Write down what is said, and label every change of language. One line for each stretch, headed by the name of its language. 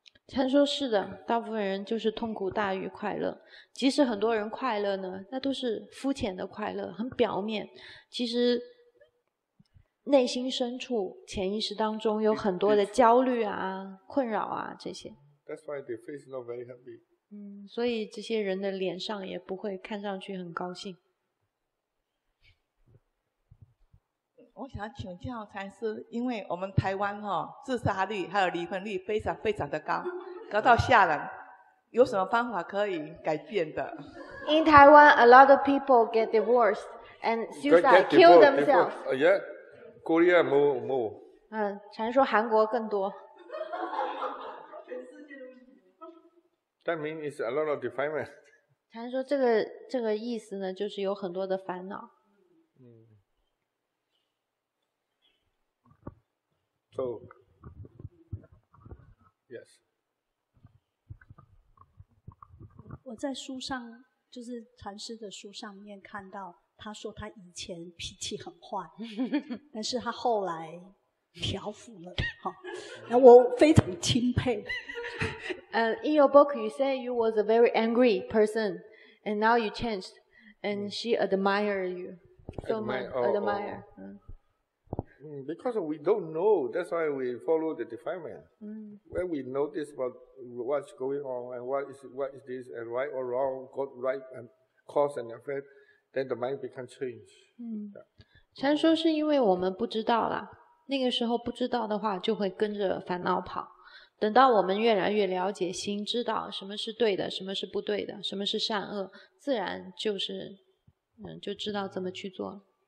Chinese: 陈说是的，大部分人就是痛苦大于快乐，即使很多人快乐呢，那都是肤浅的快乐，很表面，其实内心深处潜意识当中有很多的焦虑啊，困扰啊，这些。
English: That's why their face is not very happy.
Chinese: 所以这些人的脸上也不会看上去很高兴。我想请教禅师，因为我们台湾哈、自杀率还有离婚率非常非常的高，高到吓人，有什么方法可以改变的
English: ？In Taiwan, a lot of people get divorced and suicide, kill themselves. Yeah, Korea more more.
Chinese: 禅说韩国更多。
English: That means it's a lot of defilement.
Chinese: 禅说这个意思呢，就是有很多的烦恼。
English: So, yes.
Chinese: 我在书上，就是禅师的书上面看到，他说他以前脾气很坏，但是他后来调伏了，那我非常钦佩。
English: In your book, you say you was a very angry person, and now you changed, and she admire you so much. Admire. Because we don't know, that's why we follow the defilement. When we notice about what's going on and what is this and right or wrong, God right and cause and effect, then the mind becomes changed.
Chinese: 禅说是因为我们不知道啦，那个时候不知道的话就会跟着烦恼跑，等到我们越来越了解心，知道什么是对的，什么是不对的，什么是善恶，自然就是就知道怎么去做。